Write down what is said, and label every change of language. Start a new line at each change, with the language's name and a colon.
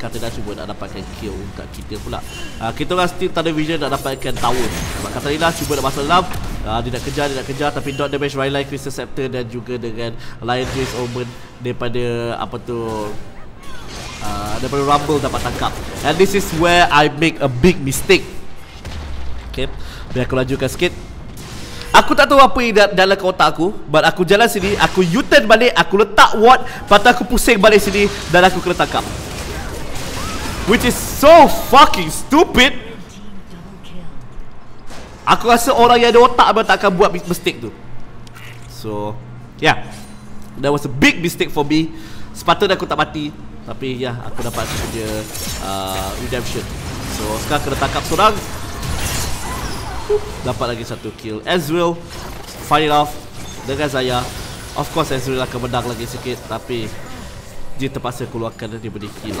Malay: Katarina cuba nak dapatkan kill untuk kita pula. Kita orang still tak ada vision nak dapatkan tower. Sebab Katarina cuba nak masuk dalam. Dia nak kejar, dia nak kejar. Tapi dot damage Rylai, Crystal Scepter dan juga dengan Lion Grace Omen daripada apa tu, daripada Rumble dapat tangkap.
English: And this is where I make a big mistake.
Malay: Okay, biar aku lanjutkan sikit. Aku tak tahu apa yang dalam kotak aku, but aku jalan sini, aku U-turn balik, aku letak ward, lepas tu aku pusing balik sini dan aku kena tangkap.
English: Which is so fucking stupid.
Malay: Aku rasa orang yang ada otak memang tak akan buat mistake tu.
English: So yeah, that was a big mistake for me.
Malay: Sepatutnya aku tak mati, tapi yeah, aku dapat punya redemption. So sekarang kena tangkap seorang. Dapat lagi satu kill. Ezreal
English: fight it off
Malay: dengan Zaya. Of course Ezreal akan menang lagi sikit, tapi dia terpaksa keluarkan dan dia beri kill.